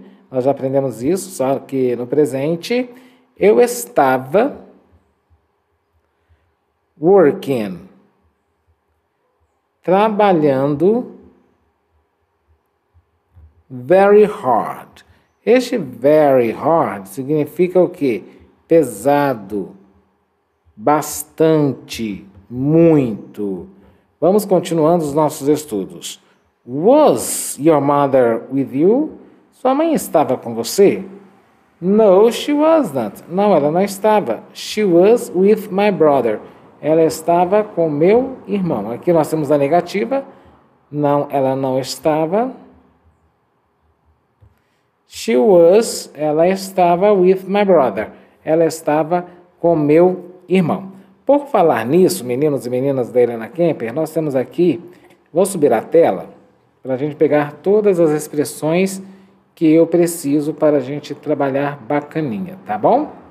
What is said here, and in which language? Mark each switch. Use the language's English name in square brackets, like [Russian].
[Portuguese] Nós já aprendemos isso, só que no presente. Eu estava working, trabalhando [English] very hard. [Portuguese] Este very hard significa o quê? Pesado, bastante, muito. Vamos continuando os nossos estudos. [English] Was your mother with you? [Portuguese] Sua mãe estava com você? [English] No, she was not. [Portuguese] Não, ela não estava. [English] She was with my brother. [Portuguese] Ela estava com meu irmão. Aqui nós temos a negativa. Não, ela não estava. [English] She was, [Portuguese] ela estava [English] with my brother. [Portuguese] Ela estava com meu irmão. Por falar nisso, meninos e meninas da Helena Kemper, nós temos aqui, vou subir a tela, para a gente pegar todas as expressões que eu preciso para a gente trabalhar bacaninha, tá bom?